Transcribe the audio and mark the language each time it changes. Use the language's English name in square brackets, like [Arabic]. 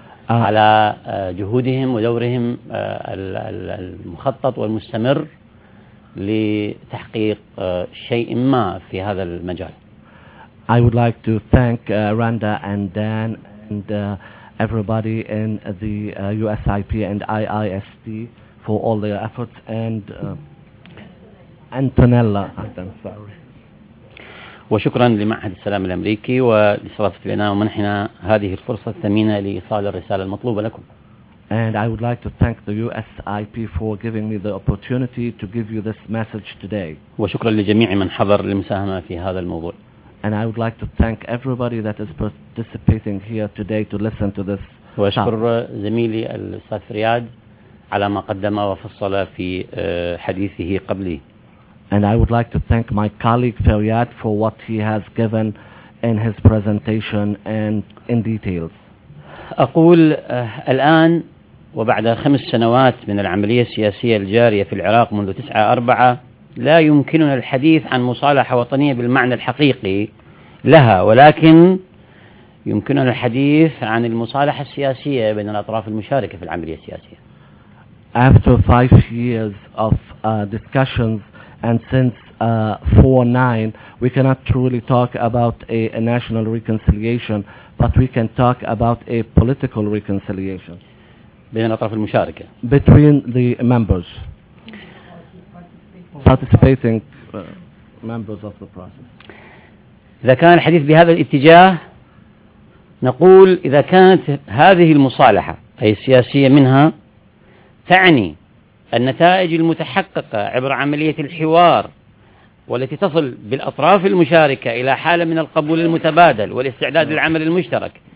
[Arabic] على جهودهم ودورهم المخطط والمستمر لتحقيق شيء ما في هذا المجال. [English] I would like to thank Randa and Dan and everybody in the USIP and IIST for all their efforts and Antonella. I'm sorry. [Arabic] وشكرا لمعهد السلام الأمريكي ولإستضافة لنا ومنحنا هذه الفرصة الثمينة لإيصال الرسالة المطلوبة لكم. [English] And I would like to thank the USIP for giving me the opportunity to give you this message today. [Arabic] وشكرا لجميع من حضر للمساهمة في هذا الموضوع. [English] And I would like to thank everybody that is participating here today to listen to this. [Arabic] وأشكر زميلي الأستاذ فرياد على ما قدم وفصل في حديثه قبلي. [English] And I would like to thank my colleague Fariad for what he has given in his presentation and in details. [Arabic] أقول الآن وبعد خمس سنوات من العملية السياسية الجارية في العراق منذ 9/4 لا يمكننا الحديث عن مصالحة وطنية بالمعنى الحقيقي لها ولكن يمكننا الحديث عن المصالحة السياسية بين الأطراف المشاركة في العملية السياسية. [English] After 5 years of discussions and since 4/9, we cannot truly talk about a national reconciliation, but we can talk about a political reconciliation. [Arabic] بين الأطراف المشاركة. [English] Between the members. Participating members of the process. [Arabic] إذا كان الحديث بهذا الاتجاه، نقول إذا كانت هذه المصالحة أي السياسية منها. تعني النتائج المتحققة عبر عملية الحوار والتي تصل بالأطراف المشاركة إلى حالة من القبول المتبادل والاستعداد للعمل المشترك.